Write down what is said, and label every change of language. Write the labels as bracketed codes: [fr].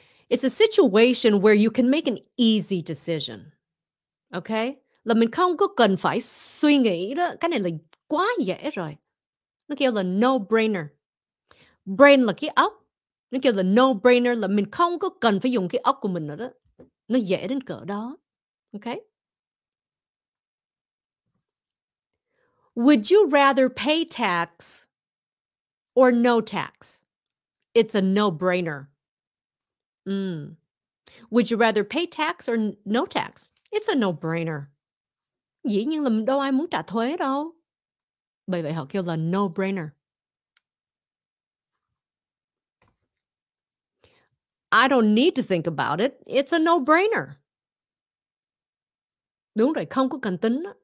[en] It's a situation where you can make an easy decision. Okay? [vi] Là mình không có cần phải suy nghĩ đó. Cái này là quá dễ rồi. Nó kêu là no-brainer. Brain là cái óc. Nó kêu là no-brainer là mình không có cần phải dùng cái óc của mình nữa đó. Nó dễ đến cỡ đó. Okay? [en] Would you rather pay tax or no tax? It's a no-brainer. Would you rather pay tax or no tax? It's a no-brainer. [vi] Dĩ nhiên là đâu ai muốn trả thuế đâu. Bởi vậy họ kêu là no-brainer. [en] I don't need to think about it. It's a no-brainer. [vi] Đúng rồi, không có cần tính.